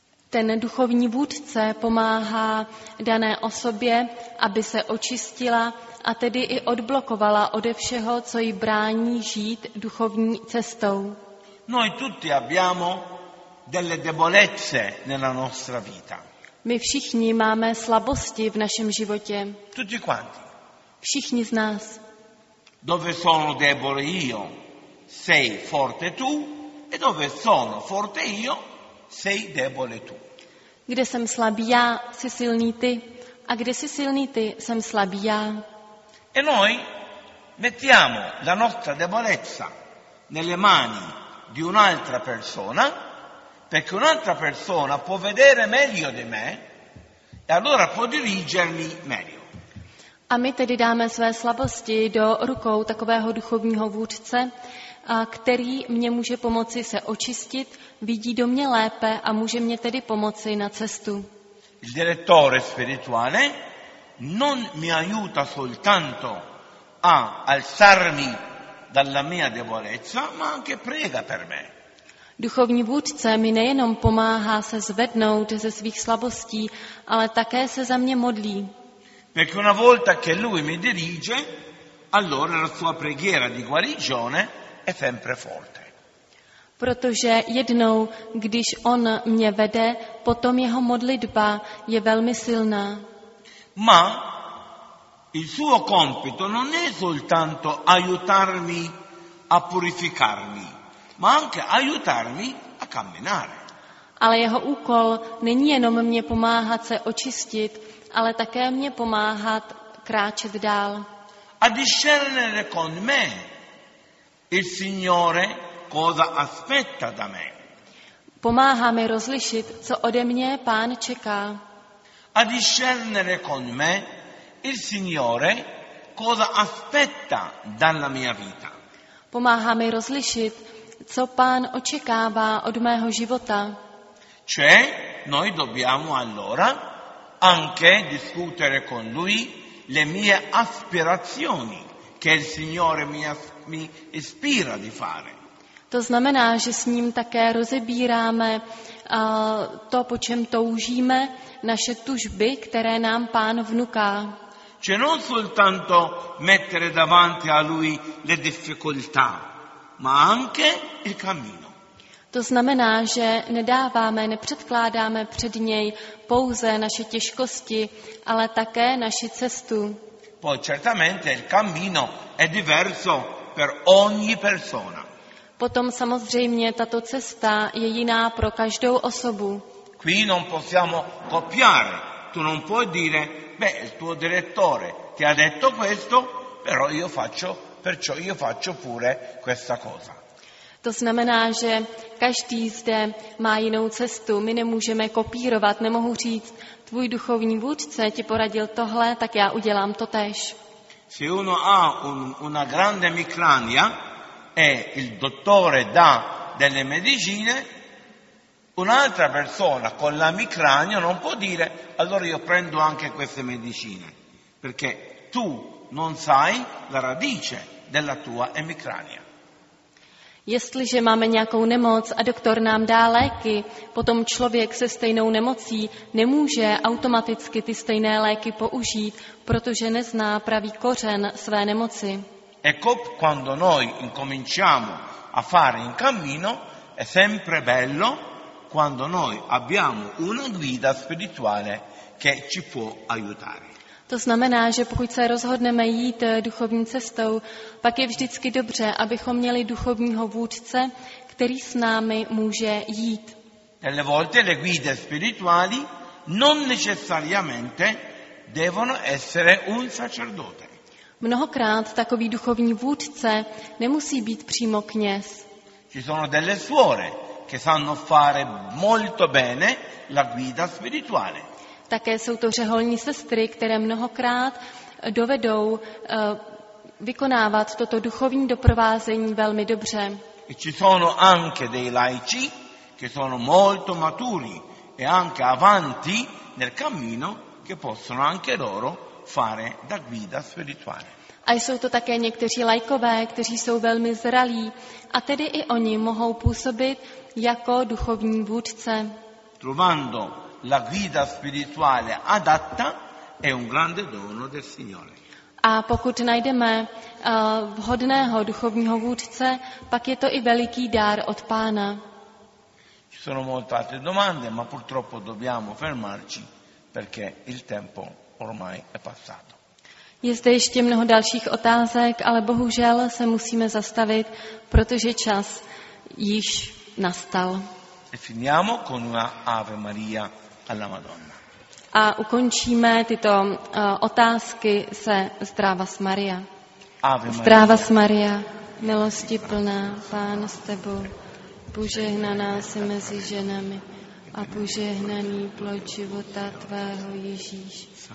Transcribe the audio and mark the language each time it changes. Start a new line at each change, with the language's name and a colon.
Czech: Ten duchovní vůdce pomáhá dané osobě, aby se očistila a tedy i odblokovala ode všeho, co jí brání žít duchovní cestou.
Italian: Noi tutti abbiamo delle debolezze nella nostra vita.
Czech: My všichni máme slabosti v našem životě.
Italian: Tutti quanti.
Czech: Všichni z nás.
Italian: Dove sono debole io, sei forte tu, e dove sono forte io, sei debole tu.
Czech: Kde jsem slabý já, jsi silný ty, a kde jsi silný ty, jsem slabý já.
Italian: E noi mettiamo la nostra debolezza nelle mani di un'altra persona, perché un'altra persona può vedere meglio di me e allora può dirigermi meglio.
Czech: A my tedy dáme své slabosti do rukou takového duchovního vůdce, který mě může pomoci se očistit, vidí do mě lépe a může mě tedy pomoci na cestu.
Italian: Il direttore spirituale non mi aiuta soltanto a alzarmi dalla mia debolezza, ma anche prega per me.
Czech: Duchovní vůdce mi nejenom pomáhá se zvednout ze svých slabostí, ale také se za mě modlí.
Italian: Perché una volta che lui mi dirige, allora la sua preghiera di guarigione è sempre forte.
Czech: Protože jednou, když on mě vede, potom jeho modlitba je velmi silná.
Italian: Ma il suo compito non è soltanto aiutarmi a purificarmi, ma anche aiutarmi a camminare.
Czech: Ale jeho úkol není jenom mě pomáhat se očistit, ale také mě pomáhat kráčet dál.
Italian: A discernere con me il Signore cosa aspetta da me.
Czech: Pomáhá mi rozlišit, co ode mě Pán čeká.
Italian: A discernere con me il Signore cosa aspetta dalla mia vita.
Czech: Pomáhá mi rozlišit, co Pán očekává od mého života.
Italian: Cioè, noi dobbiamo allora anche discutere con lui le mie aspirazioni che il Signore mi ispira di fare.
Czech: To znamená, že s ním také rozebíráme to, po čem toužíme, naše tužby, které nám Pán vnuká.
Italian: Cioè non soltanto mettere davanti a lui le difficoltà, ma anche il cammino.
Czech: To znamená, že nedáváme, nepředkládáme před něj pouze naše těžkosti, ale také naši cestu.
Italian: Poi certamente il cammino è diverso per ogni persona.
Czech: Potom samozřejmě tato cesta je jiná pro každou osobu.
Italian: Qui non possiamo copiare. Tu non puoi dire, beh, il tuo direttore ti ha detto questo, però io faccio, perciò io faccio pure questa cosa.
Czech: To znamená, že každý zde má jinou cestu. My nemůžeme kopírovat, nemohu říct, tvůj duchovní vůdce ti poradil tohle, tak já udělám to též.
Italian: Se uno ha una grande emicrania e il dottore dà delle medicine, un'altra persona con la emicrania non può dire, allora io prendo anche queste medicine, perché tu non sai la radice della tua emicrania.
Czech: Jestliže máme nějakou nemoc a doktor nám dá léky, potom člověk se stejnou nemocí nemůže automaticky ty stejné léky použít, protože nezná pravý kořen své nemoci.
Italian: Ecco quando noi incominciamo a fare in cammino è sempre bello quando noi abbiamo una guida spirituale che ci può aiutare.
Czech: To znamená, že pokud se rozhodneme jít duchovní cestou, pak je vždycky dobře, abychom měli duchovního vůdce, který s námi může jít.
Italian: Delle volte le guide spirituali non necessariamente devono essere un sacerdote.
Czech: Mnohokrát takový duchovní vůdce nemusí být přímo kněz.
Italian: Ci sono delle suore che sanno fare molto bene la guida spirituale.
Czech: Také jsou to řeholní sestry, které mnohokrát dovedou vykonávat toto duchovní doprovázení velmi dobře.
Italian: E ci sono anche dei laici che sono molto maturi e anche avanti nel cammino che possono anche loro fare da guida spirituale.
Czech: A jsou to také někteří laikové, kteří jsou velmi zralí, a tedy i oni mohou působit jako duchovní vůdce.
Italian: Trovando la guida spirituale adatta è un grande dono del Signore.
Czech: A pokud najdeme vhodného duchovního vůdce, pak je to i veliký dar od Pána.
Italian: Ci sono molte altre domande, ma purtroppo dobbiamo fermarci perché il tempo ormai è passato.
Czech: Je zde ještě mnoho dalších otázek, ale bohužel se musíme zastavit, protože čas již nastal.
Italian: E finiamo con una Ave Maria alla Madonna.
Czech: A ukončíme tyto otázky se Zdravas Maria.
Italian: Ave Maria.
Czech: Zdravas Maria, milosti plná, Pán s tebou, požehnaná jsi mezi ženami a požehnaný plod života tvého Ježíš.